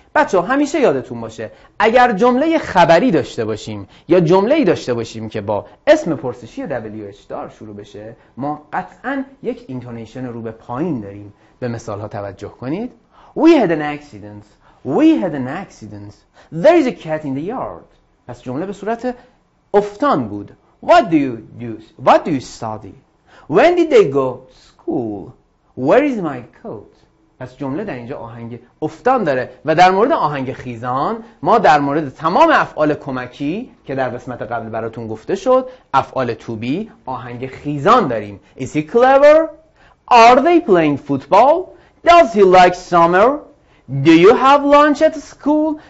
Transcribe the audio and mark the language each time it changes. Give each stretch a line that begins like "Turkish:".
Persian: بچه همیشه یادتون باشه اگر جمله خبری داشته باشیم یا جمله‌ای داشته باشیم که با اسم پرسشی WH-دار شروع بشه، ما قطعا یک اینتونیشن رو به پایین داریم. به مثال ها توجه کنید.
English: We had an accident. We had an accident. There is a cat in the yard.
Persian: پس جمله به صورت افتان بود.
English: What do you study? When did they go to school? Where is my coat?
Persian: پس جمله در اینجا آهنگ افتان داره و در مورد آهنگ خیزان ما در مورد تمام افعال کمکی که در قسمت قبل براتون گفته شد افعال to be آهنگ خیزان داریم.
English: Is he clever? Are they playing football? Does he like summer? Do you have lunch at school?